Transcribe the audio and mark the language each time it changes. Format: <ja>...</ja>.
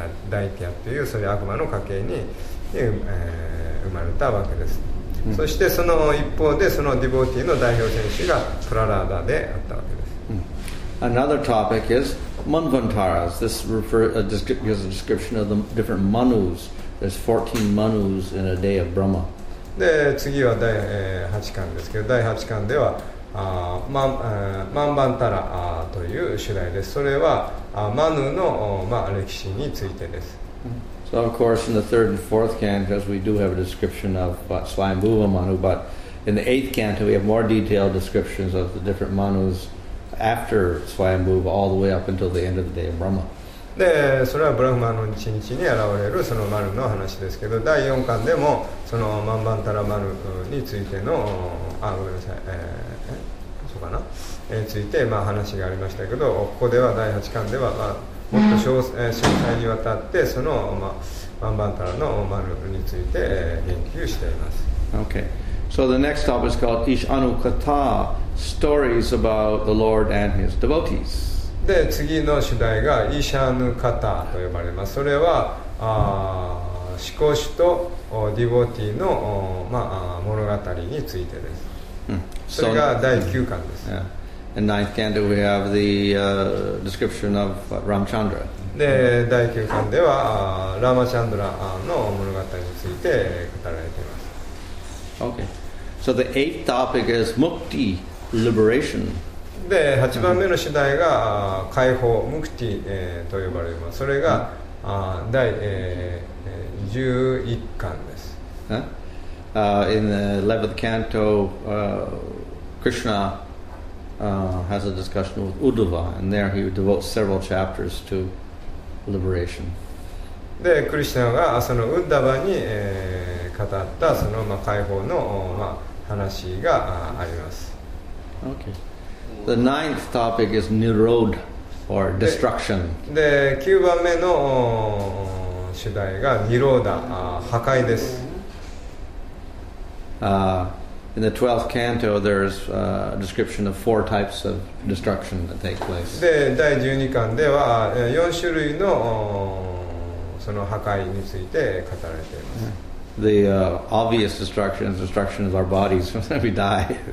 <ja>大天というそういう悪魔の家系に、生まれたわけです、うん、そしてその一方でそのディボーティーの代表選手がプララーダであったわけです、うん、</ja> <en>Another topic is Manvantaras. This refers to a description of the different manus. There's 14 manus in a day of Brahma.</en> <ja>で次は第8巻ですけど、第8巻ではマンバンタラという主題です。それはマヌの、まあ、歴史についてです。</ja> <en>So of course in the third and fourth cantos we do have a description of Swayambhuva Manu, but in the eighth canto we have more detailed descriptions of the different manus after Swayambhuva all the way up until the end of the day of Brahma.</en> <ja>でそれはブラフマの一日に現れるそのマルの話ですけど、第4巻でもそのマンバンタラマルについてのごめんなさい、そうかな、ついて、まあ、話がありましたけど、ここでは第8巻では、まあ、もっと 詳細にわたってその、まあ、マンバンタラのマルについて、言及しています。</ja> <en>OK So the next topic is called Ishanukata Stories about the Lord and His Devotees。</en> <ja>で次の主題がイシャヌカタと呼ばれます。それは思考主とディボティの、まあ、物語についてです。それが第9巻です。</ja> <en>In ninth canto we have the description of Ramchandra.</en> <ja>で第9巻ではラマチャンドラの物語について語られています。</ja> <en>Okay. So the eighth topic is Mukti, liberation.</en> <ja>で8番目の主題が解放ムクティ、と呼ばれます。それが、第、11巻です。</ja> <en>In the 11th canto, Krishna has a discussion with Uddhava, and there he devotes several chapters to liberation.</en> <ja>で、クリシナがそのウッダバに、語ったその、まあ、解放の、まあ、話が あります。</ja> <en>Okay. The ninth topic is Nirodha or destruction.</en> <ja>で、九番目の主題がニローダ、破壊です。</ja> <en>In the 12th canto, there's a description of four types of destruction that take place.</en> <ja>で、第十二巻では四種類のその破壊について語られています。</ja> <en>Yeah. The obvious destruction is destruction of our bodies when we die.</en>